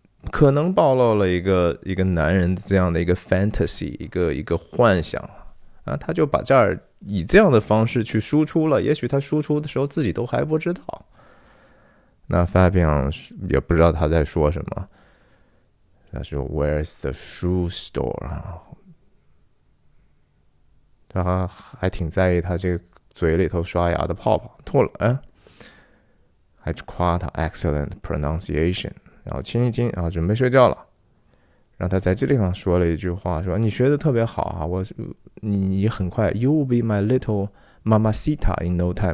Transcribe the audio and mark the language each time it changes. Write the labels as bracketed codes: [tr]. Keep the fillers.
[zh] 可能暴露了一个一个男人这样的一个 fantasy，一个一个幻想啊。他就把这儿以这样的方式去输出了。也许他输出的时候自己都还不知道。那 Fabian 也不知道他在说什么。他说 [en] Where's the shoe store [zh] 啊？他还挺在意他这个嘴里头刷牙的泡泡吐了哎，还夸他 excellent pronunciation，然后亲一亲啊，然后准备睡觉了。然后他在这地方说了一句话说你学的特别好啊，我你你很快， [en] You will be my little mamacita in no time。